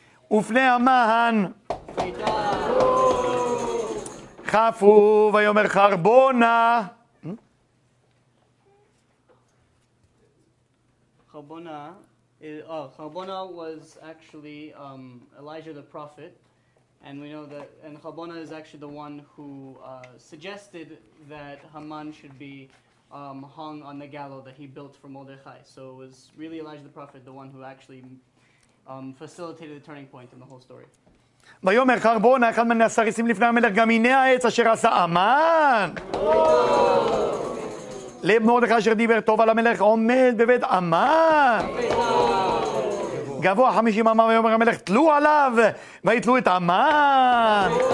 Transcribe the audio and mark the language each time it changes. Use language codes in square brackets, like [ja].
[he] ופני המן חפו, ויאמר חרבונה. [en] חרבונה, חרבונה was actually Elijah the prophet, and we know that, and חרבונה is actually the one who suggested that Haman should be hung on the gallows that he built for Mordechai. So it was really Elijah the prophet, the one who actually facilitated the turning point in the whole story. [he] ויאמר חרבונה, אחד מהסריסים לפני המלך, גם הנה העץ אשר עשה אמן. לב מרדכי אשר דיבר טוב על המלך עומד בבית אמן. גבוה 50 אמה, ויאמר המלך, תלו עליו, ויתלו את אמן.